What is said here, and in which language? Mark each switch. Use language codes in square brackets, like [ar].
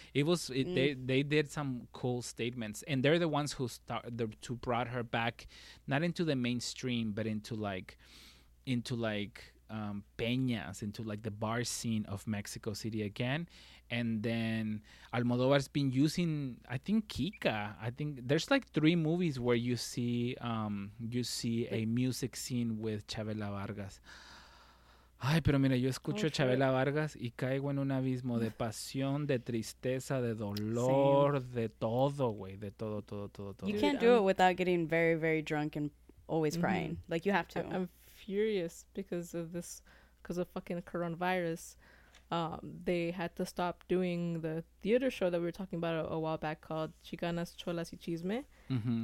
[en] They did some cool statements, and they're the ones who brought her back, not into the mainstream, but into peñas, into like the bar scene of Mexico City again. And then Almodóvar's been using, I think, Kika. I think there's like three movies where you see a music scene with Chabela Vargas. [es] Ay, pero mira, yo escucho a Chabela Vargas y caigo en un abismo de pasión, de tristeza, de dolor, [en] same, [es] de todo, güey, de todo, todo, todo, todo. [en] You can't do it without getting very, very drunk and always crying. Like, you have to. I'm furious because of fucking coronavirus. They had to stop doing the theater show that we were talking about a while back called Chicanas, Cholas y Chisme. Mm-hmm.